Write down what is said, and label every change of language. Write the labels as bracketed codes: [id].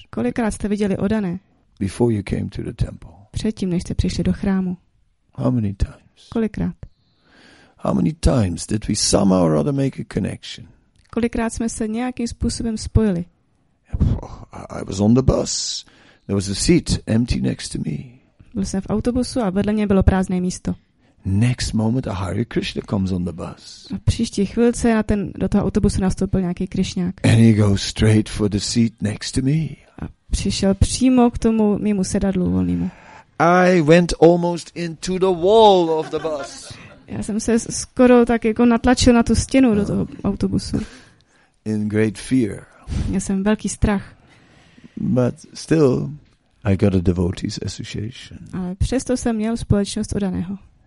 [cs] Kolikrát jste viděli odané? [en] Before you came to the temple. [cs] Předtím, než jste přišli do chrámu. [en] How many times? [cs] Kolikrát? [en] How many times did we somehow or other make a connection? [cs] Kolikrát jsme se nějakým způsobem spojili? [en] I was on the bus. There was a seat empty next to me. [cs] Byl jsem v autobusu a vedle mě bylo prázdné místo. [en] Next moment a Hare Krishna comes on the bus. [cs] A příští chvilce do toho autobusu nastoupil nějaký Krišňák. [en] And he goes straight for the seat next to me. [cs] A přišel přímo k tomu mému sedadlu volnému. [en] I went almost into the wall of the bus. [cs] Já jsem se skoro tak jako natlačil na tu stěnu do toho autobusu. [en] In great fear. [cs] Měl jsem velký strach. [en] But still, I got a devotees association. [cs] Ale přesto jsem měl společnost udaného.